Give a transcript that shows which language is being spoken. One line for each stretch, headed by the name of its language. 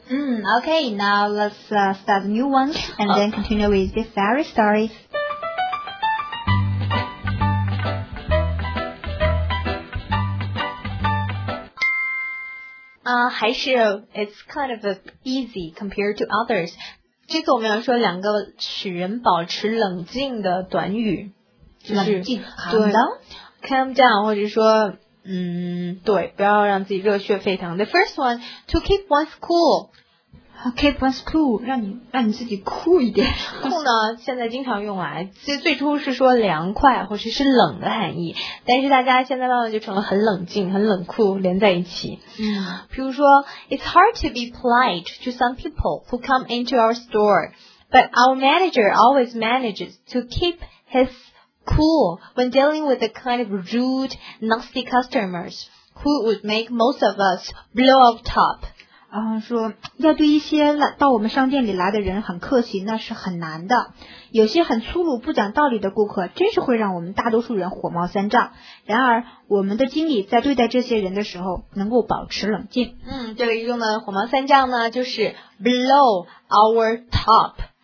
English: Okay, now let's start the new one and then continue with the fairy stories.
Chinese: 还是
English: it's kind of easy compared to others.
Chinese: 这次我们要说两个使人保持冷静的短语，就是冷静
English: calm down，
Chinese: 或者说对，不要让自己热血沸腾。
English: The first one to keep one's cool. Keep one's cool，
Chinese: 让你自己酷一点。 cool 呢，现在经常用来，最初是说凉快或者 是冷的含义，但是大家现在慢慢就成了很冷静、很冷酷连在一起。比如说
English: ，It's hard to be polite to some people who come into our store, but our manager always manages to keep his cool when dealing with the kind of rude, nasty customers who would make most of us blow off top.
Chinese: 说要对一些到我们商店里来的人很客气，那是很难的。有些很粗鲁不讲道理的顾客真是会让我们大多数人火冒三丈，然而我们的经理在对待这些人的时候能够保持冷静。这里用的火冒三丈呢就是
English: blow our top，